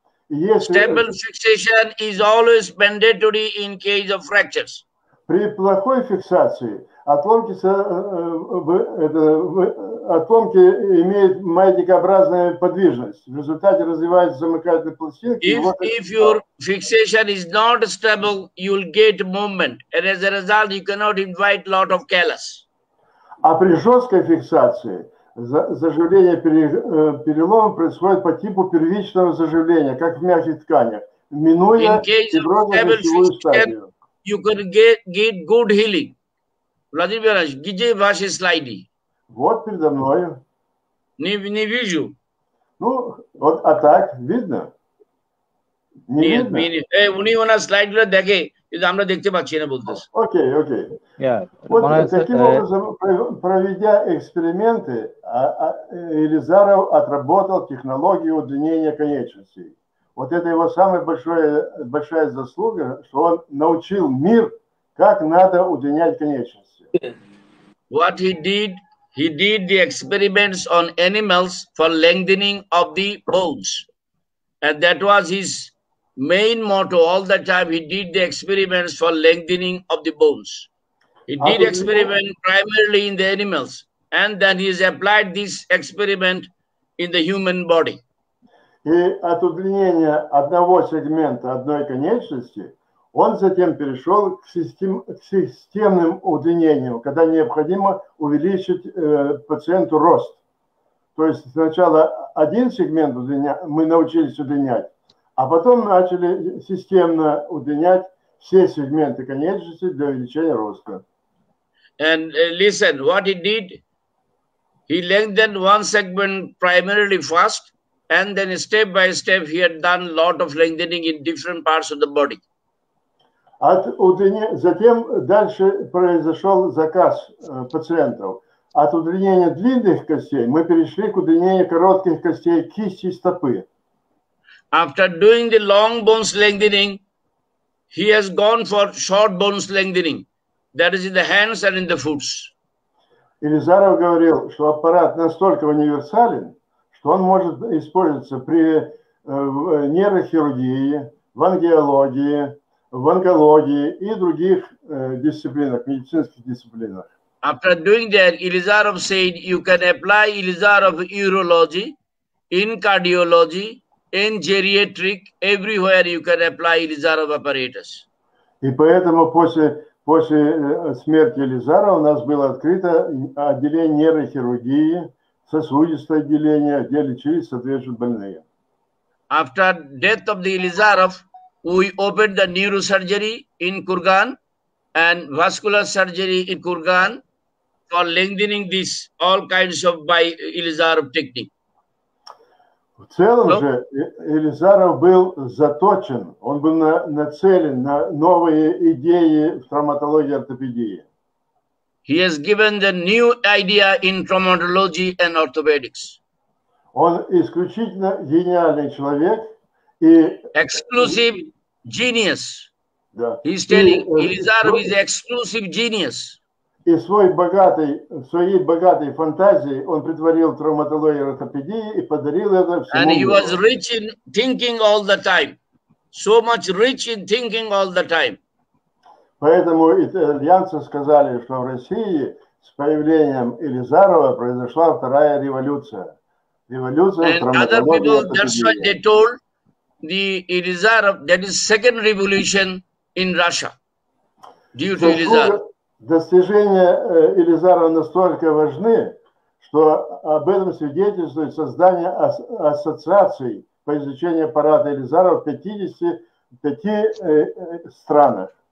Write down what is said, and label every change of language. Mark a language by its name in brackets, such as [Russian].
[English] Stable fixation is always mandatory in case of fractures. [Russian] При плохой фиксации отломки имеют маятникообразную подвижность. В результате развиваются замыкательные пластинки. [English] If your fixation is not stable, you'll get movement. And as a result, you cannot invite lot of callus. [Russian] А при жесткой фиксации заживление перелома происходит по типу первичного заживления, как в мягких тканях, минуя фиброзно-мышцевую стадию. [English] You can get good healing. [Russian] Владимир Иванович, где ваши слайды? Вот передо мною. Не вижу. Ну, вот, а так, видно? Не нет, видно? У него на слайде, да, где? И там на дикте бачи не будет. [English] Окей. [Russian] Вот таким образом, проведя эксперименты, Ilizarov отработал технологию удлинения конечностей. Вот это его самая большая заслуга, что он научил мир, как надо удлинять конечности. [English] What he did the experiments on animals for lengthening of the bones, and that was his main motto all the time. He did the experiments for lengthening of the bones. He did experiment primarily in the animals, and then he has applied this experiment in the human body. [Russian] И от удлинения одного сегмента одной конечности он затем перешел к системным удлинениям, когда необходимо увеличить пациенту рост. То есть сначала один сегмент мы научились удлинять, а потом начали системно удлинять все сегменты конечности для увеличения роста. [English] And listen, what he did, he lengthened one segment primarily first, and then step by step he had done a lot of lengthening in different parts of the body. [Russian] От удлинения, затем дальше произошел заказ пациентов. От удлинения длинных костей мы перешли к удлинению коротких костей кисти и стопы. [English] After doing the long bones lengthening, he has gone for short bones lengthening. That is in the hands and in the foot. [Russian] Ilizarov говорил, что аппарат настолько универсален, что он может использоваться при нейрохирургии, в ангиологии, в онкологии и других дисциплинах, медицинских дисциплинах. [English] After doing that, Ilizarov said you can apply Ilizarov urology, in cardiology, in geriatric, everywhere you can apply Ilizarov apparatus. [Russian] И поэтому после смерти Ilizarov у нас было открыто отделение нейрохирургии, сосудистое отделение, где лечились соответствующие больные. [English] After death of the Ilizarov, we opened the neurosurgery in Kurgan and vascular surgery in Kurgan for lengthening this all kinds of by Ilizarov technique. [Russian] В целом же Ilizarov был заточен, он был нацелен на новые идеи в травматологии ортопедии. [English] He has given the new idea in traumatology and orthopedics. [Russian] Он исключительно гениальный человек и [English] exclusive genius. Да. He's telling Ilizarov is exclusive genius. [Russian] И своей богатой фантазией он притворил травматологию ортопедии и подарил это всему. [English] And he was rich in thinking all the time. So much rich in thinking all the time. [Russian] Поэтому итальянцы сказали, что в России с появлением Ilizarov произошла вторая революция. Революция травматологии. [English] The Ilizarov, that is second revolution in Russia due to Ilizarov. [Russian] Достижения Ilizarov настолько важны, что об этом свидетельствует создание ассоциаций по изучению аппарата Ilizarov в 55 странах.